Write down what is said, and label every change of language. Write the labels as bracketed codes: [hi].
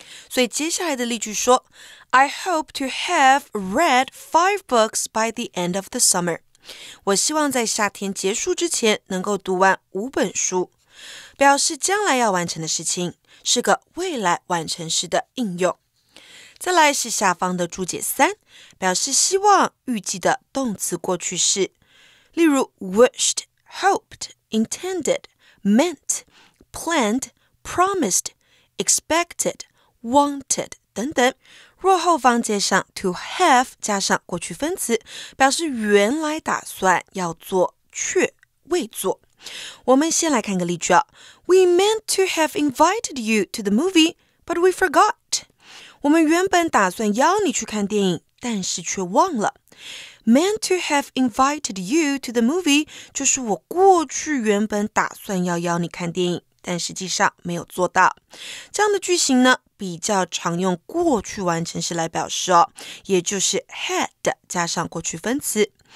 [zh] 所以接下来的例句说 [en] I hope to have read 5 books by the end of the summer. [zh] 我希望在夏天结束之前能够读完五本书。表示将来要完成的事情，是个未来完成时的应用。再来是下方的注解三，表示希望、预计的动词过去式。例如 wished, hoped, intended, meant, planned, promised, expected,wanted 等等，若后方接上 to have 加上过去分词，表示原来打算要做却未做。我们先来看个例句啊 [en] ，We meant to have invited you to the movie, but we forgot. [zh] 我们原本打算邀你去看电影，但是却忘了。 [en] Meant to have invited you to the movie [zh] 就是我过去原本打算要邀你看电影，但实际上没有做到。这样的句型呢？比较常用过去完成时来表示哦，也就是 had 加上过去分词。